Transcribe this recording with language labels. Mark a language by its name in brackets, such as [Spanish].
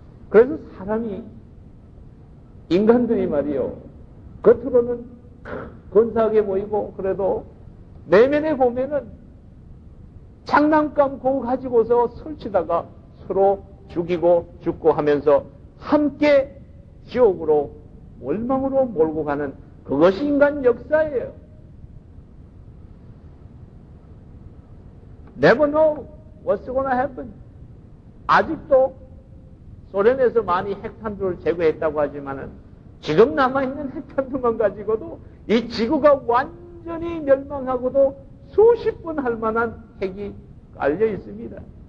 [Korean] 그래서 사람이 인간들이 말이요 겉으로는 근사하게 보이고 그래도 내면에 보면은 장난감 그거 가지고서 설치다가 서로 죽이고 죽고 하면서 함께 지옥으로 멸망으로 몰고 가는 그것이 인간 역사예요. [English] Never know what's gonna happen. [Korean] 아직도 소련에서 많이 핵탄두를 제거했다고 하지만은 지금 남아있는 핵탄두만 가지고도 이 지구가 완전히 멸망하고도 수십 번 할 만한 핵이 깔려 있습니다.